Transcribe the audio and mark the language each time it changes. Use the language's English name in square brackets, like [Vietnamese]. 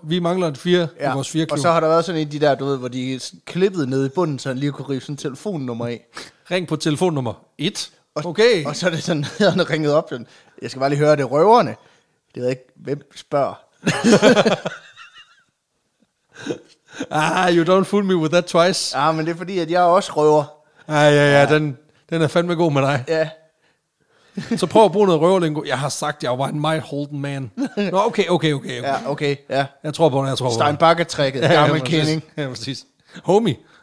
[Danish] Vi mangler en 4 ja. I vores 4-klub. Og så har der været sådan en af de der, du ved, hvor de klippede ned i bunden, så han lige kunne rive sådan telefonnummer af. Ring på telefonnummer 1. Okay. Og så er det sådan, at han ringede op. Sådan, jeg skal bare lige høre, det røverne. Det ved ikke, hvem spørger. [English] Ah, you don't fool me with that twice. [Danish] Ja, men det er fordi, at jeg også røver. Ja. Den er fandme god med dig. Ja. Så prøv at bruge noget røverlingo. Jeg har sagt, jeg var en meget holden man. Nå, okay. Ja, okay, ja. Jeg tror på den, jeg tror på den. Steinbacher-tricket, gammel kending. Ja, præcis. Homie.